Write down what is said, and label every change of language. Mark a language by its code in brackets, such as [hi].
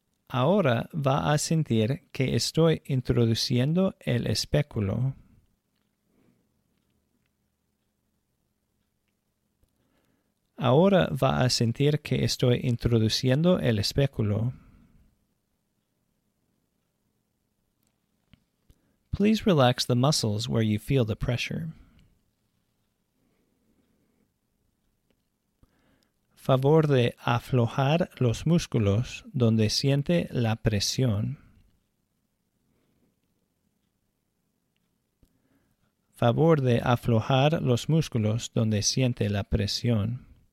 [es] Ahora va a sentir que estoy introduciendo el espéculo. Ahora va a sentir que estoy introduciendo el espéculo. [en] Please relax the muscles where you feel the pressure. [es] Favor de aflojar los músculos donde siente la presión. Favor de aflojar los músculos donde siente la presión.